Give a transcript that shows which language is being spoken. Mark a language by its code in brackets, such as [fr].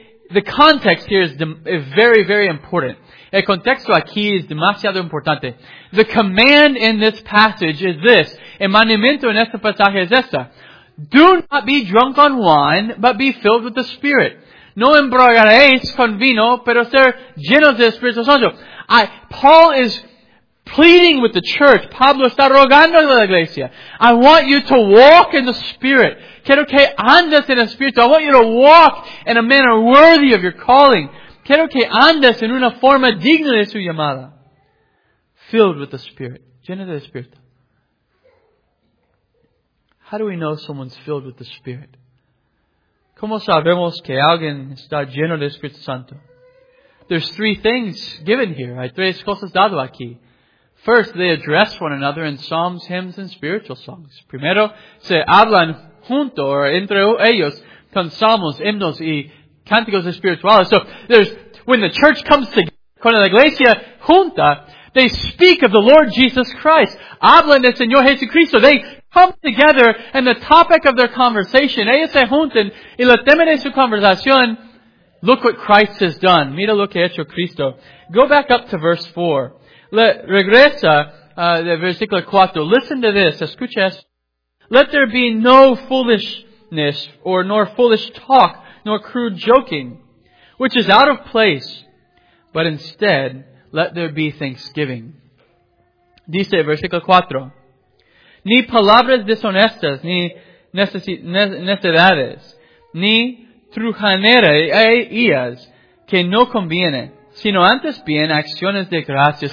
[en] The context here is very, very important. [es] El contexto aquí es demasiado importante. [en] The command in this passage is this. [es] El mandamiento en este pasaje es esta. [en] Do not be drunk on wine, but be filled with the Spirit. [es] No embriagaréis con vino, pero ser llenos del Espíritu Santo. [en] Paul is pleading with the church. [es] Pablo está rogando a la iglesia. [en] I want you to walk in the Spirit. [es] Quiero que andes en el Espíritu. [en] I want you to walk in a manner worthy of your calling. [es] Quiero que andes en una forma digna de su llamada. [en] Filled with the Spirit. [es] Lleno del Espíritu. [en] How do we know someone's filled with the Spirit? [es] ¿Cómo sabemos que alguien está lleno del Espíritu Santo? [en] There's three things given here. [es] Hay tres cosas dadas aquí. [en] First, they address one another in psalms, hymns, and spiritual songs. [es] Primero, se hablan junto o entre ellos con salmos, himnos y cánticos espirituales. [en] So, when the church comes together, [es] cuando la iglesia junta, [en] they speak of the Lord Jesus Christ. [es] Hablan del Señor Jesucristo. [en] They come together and the topic of their conversation, [es] ellos se juntan y el tema de su conversación, [en] look what Christ has done. [es] Mira lo que ha hecho Cristo. [en] Go back up to verse 4. [es] Regresa de versículo 4. [en] Listen to this. [es] Escucha esto. [en] Let there be no foolishness or nor foolish talk nor crude joking, which is out of place, but instead let there be thanksgiving. [es] Dice versículo 4. Ni palabras deshonestas, ni necedades, ni trujanerías que no conviene, sino antes bien acciones de gracias.